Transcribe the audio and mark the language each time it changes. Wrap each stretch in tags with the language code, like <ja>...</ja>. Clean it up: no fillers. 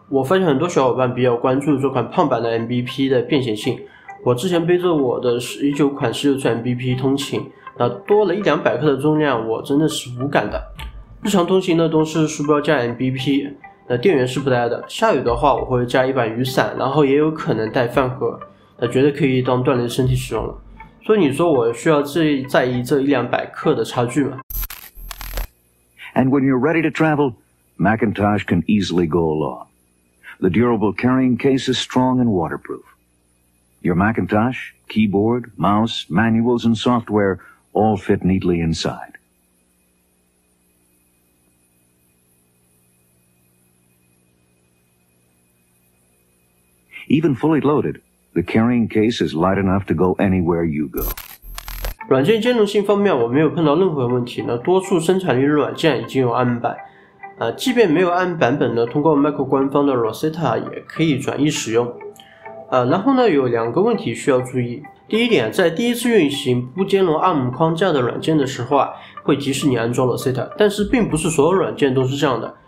<zh>我发现很多小伙伴比较关注这款胖版的 MBP 的便携性，我之前背着我的19款16寸 MBP 通勤，那多了一两百克的重量我真的是无感的。日常通勤的都是书包加 MBP， 那电源是不带的，下雨的话我会加一把雨伞，然后也有可能带饭盒，那绝对可以当锻炼身体使用了。所以你说我需要在意这一两百克的差距吗？</zh> <en>And when you're ready to travel, Macintosh can easily go along. The durable carrying case is strong and waterproof. Your Macintosh, keyboard, mouse, manuals, and software all fit neatly inside. Even fully loaded, the carrying case is light enough to go anywhere you go.</en> <zh>软件兼容性方面，我没有碰到任何问题。那多数生产力的软件已经有暗版，即便没有暗版本呢，通过 Mac 官方的 Rosetta 也可以转译使用。然后呢，有两个问题需要注意。第一点，在第一次运行不兼容 ARM 框架的软件的时候啊，会提示你安装 Rosetta， 但是并不是所有软件都是这样的。</zh>